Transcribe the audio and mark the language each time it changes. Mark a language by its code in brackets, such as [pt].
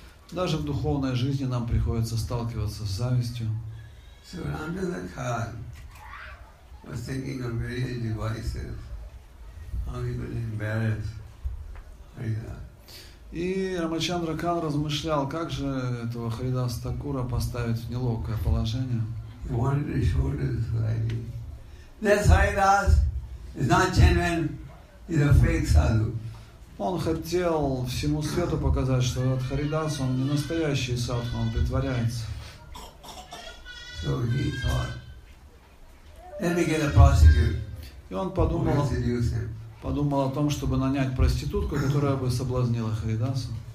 [ru] Даже в духовной жизни нам приходится сталкиваться с завистью. [en] So Ramchandra Khan was thinking of various devices, how he would embarrass Haridasa. [ru] И Рамачандра Кан размышлял, как же этого Харидаса Такура поставить в неловкое положение. [en] He wanted to show this lady. This Haridasa is not genuine, he's a fake sadhu. [ru] Он хотел всему свету показать, что этот Харидас, он не настоящий садху, он притворяется. [en] So he thought, let me get a prostitute. [ru] И он подумал о том, чтобы нанять проститутку, которая бы соблазнила Харидаса.